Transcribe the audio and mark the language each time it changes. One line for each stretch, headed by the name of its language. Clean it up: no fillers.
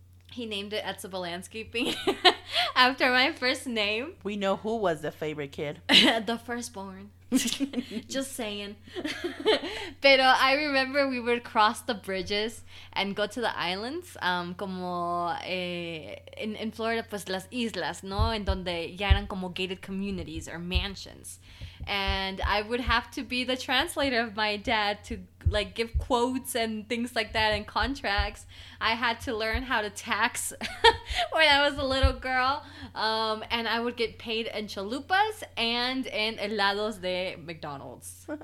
English: He named it Etzebel Landscaping after my first name. We know who was the favorite kid. The firstborn. Just saying.
Spanish: Pero
English: I remember we would cross the bridges and go to the islands.
Spanish: Como
English: in Florida,
Spanish: pues las islas, ¿no? En donde ya eran como
English: gated communities or mansions. And I would have to be the translator of my dad to, like, give quotes and things like that and contracts. I had to learn how to tax when I was a little girl. And I would get paid in chalupas and in
Spanish: helados de McDonald's.